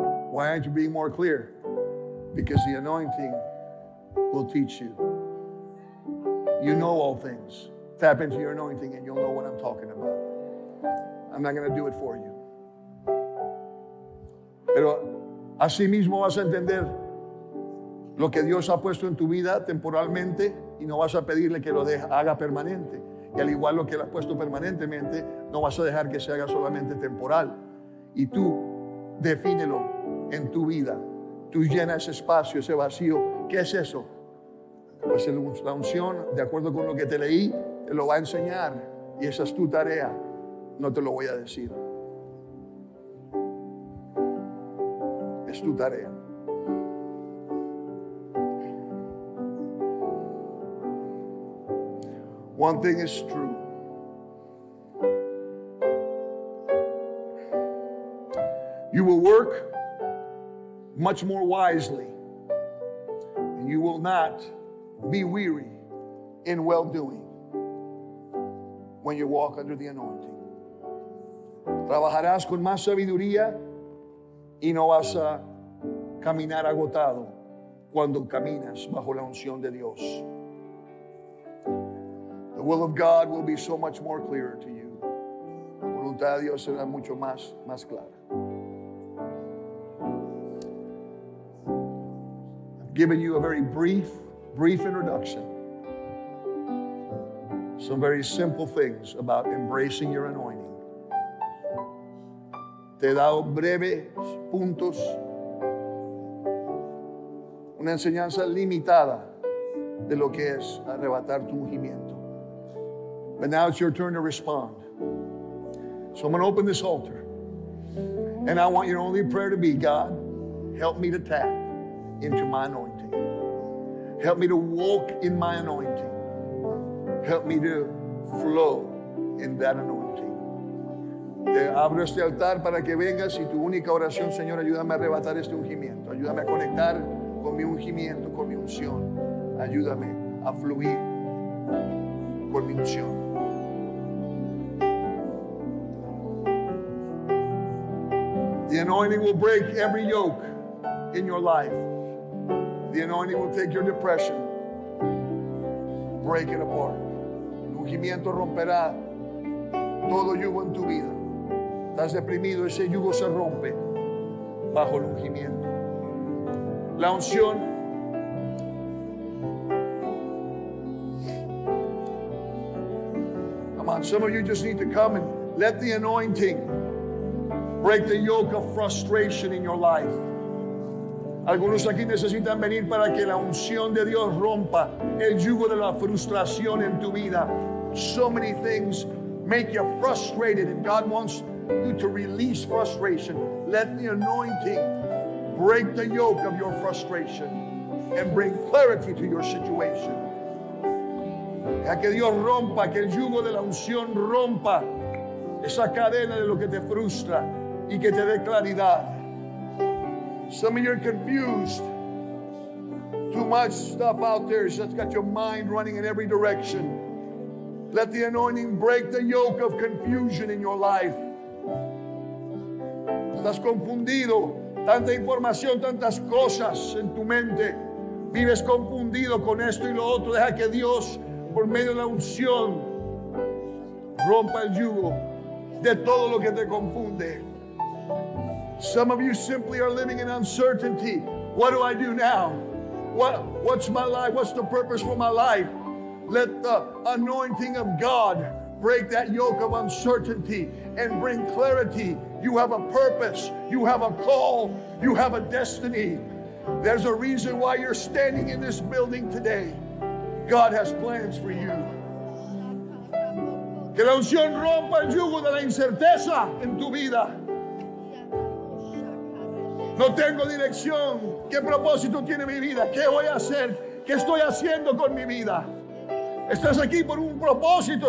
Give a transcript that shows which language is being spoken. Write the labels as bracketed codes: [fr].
[en] Why aren't you being more clear? Because the anointing will teach you. You know all things. Tap into your anointing and you'll know what I'm talking about. I'm not going to do it for you. [es] Pero así mismo vas a entender lo que Dios ha puesto en tu vida temporalmente y no vas a pedirle que lo haga permanente. Y al igual lo que lo has puesto permanentemente, no vas a dejar que se haga solamente temporal. Y tú defínelo en tu vida. Tú llenas ese espacio, ese vacío. ¿Qué es eso? Pues la unción, de acuerdo con lo que te leí, te lo va a enseñar. Y esa es tu tarea. No te lo voy a decir. Es tu tarea. [en] One thing is true. You will work much more wisely, and you will not be weary in well-doing when you walk under the anointing. [es] Trabajarás con más sabiduría y no vas a caminar agotado cuando caminas bajo la unción de Dios. [en] The will of God will be so much more clearer to you. [es] La voluntad de Dios será mucho más clara. [en] I've given you a very brief introduction. Some very simple things about embracing your anointing. [es] Te he dado breves puntos. Una enseñanza limitada de lo que es arrebatar tu ungimiento. [en] But now it's your turn to respond. So I'm going to open this altar. And I want your only prayer to be, God, help me to tap into my anointing. Help me to walk in my anointing. Help me to flow in that anointing. [es] Te abro este altar para que vengas y tu única oración, Señor, ayúdame a arrebatar este ungimiento. Ayúdame a conectar con mi ungimiento, con mi unción. Ayúdame a fluir con mi unción. [en] The anointing will break every yoke in your life. The anointing will take your depression. Break it apart. [es] El ungimiento romperá todo yugo en tu vida. Estás deprimido, ese yugo se rompe bajo el ungimiento. La unción [en] . Come on, some of you just need to come and let the anointing Break the yoke of frustration in your life. [es] Algunos aquí necesitan venir para que la unción de Dios rompa el yugo de la frustración en tu vida. [en] So many things make you frustrated, and God wants you to release frustration. Let the anointing break the yoke of your frustration and bring clarity to your situation. [es] Deja que Dios rompa, que el yugo de la unción rompa esa cadena de lo que te frustra y que te dé claridad. [en] Some of you are confused. Too much stuff out there. It's just got your mind running in every direction. Let the anointing break the yoke of confusion in your life. [es] Estás confundido. Tanta información, tantas cosas en tu mente. Vives confundido con esto y lo otro. Deja que Dios, por medio de la unción, rompa el yugo de todo lo que te confunde. [en] Some of you simply are living in uncertainty. What do I do now? What's my life? What's the purpose for my life? Let the anointing of God break that yoke of uncertainty and bring clarity. You have a purpose. You have a call. You have a destiny. There's a reason why you're standing in this building today. God has plans for you. [es] Que la unción rompa el yugo de la incerteza en tu vida. No tengo dirección. ¿Qué propósito tiene mi vida? ¿Qué voy a hacer? ¿Qué estoy haciendo con mi vida? Estás aquí por un propósito.